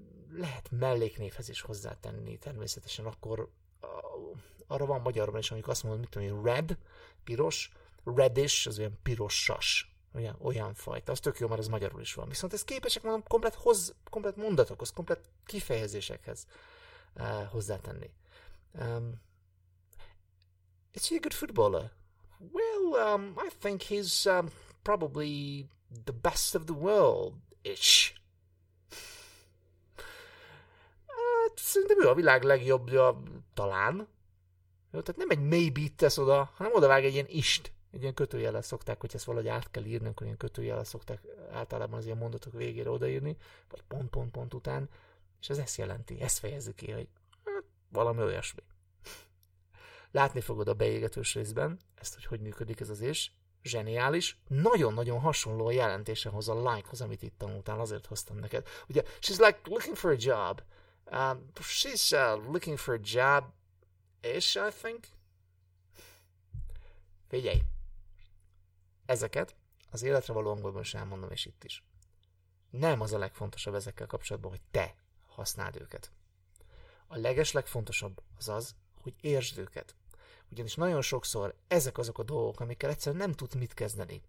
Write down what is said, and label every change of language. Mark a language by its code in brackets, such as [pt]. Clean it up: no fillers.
[hu] Lehet melléknévhez is hozzátenni természetesen, akkor arra van magyarban is, amikor azt mondod, mit tudom, hogy red, piros, reddish, az olyan pirossas, olyan fajta. Az tök jó, mert ez magyarul is van. Viszont ezt képesek, mondom, komplet mondatokhoz, komplet kifejezésekhez hozzátenni. [en] Is he a good footballer? Well, I think he's probably the best of the world-ish. [hu] Szerintem ő a világ legjobbja, talán. Jó, tehát nem egy maybe tesz oda, hanem odavág egy ilyen ist. Egy ilyen kötőjellel szokták, hogy ezt valahogy át kell írni, akkor ilyen kötőjellel szokták általában az ilyen mondatok végére odaírni, vagy pont-pont-pont után, és ez ezt jelenti, ezt fejezi ki, hogy valami olyasmi. Látni fogod a beégetős részben ezt, hogy hogy működik ez az is. Zseniális. Nagyon-nagyon hasonló a jelentése hoz a like-hoz, amit itt tanultál, azért hoztam neked. [en] Ugye, she's like looking for a job. She's looking for a job is, I think. [hu] Figyelj! Ezeket az életre való angolban is elmondom, és itt is. Nem az a legfontosabb ezekkel kapcsolatban, hogy te használd őket. A legeslegfontosabb az az, hogy értsd őket. Ugyanis nagyon sokszor ezek azok a dolgok, amikkel egyszerűen nem tud mit kezdeni.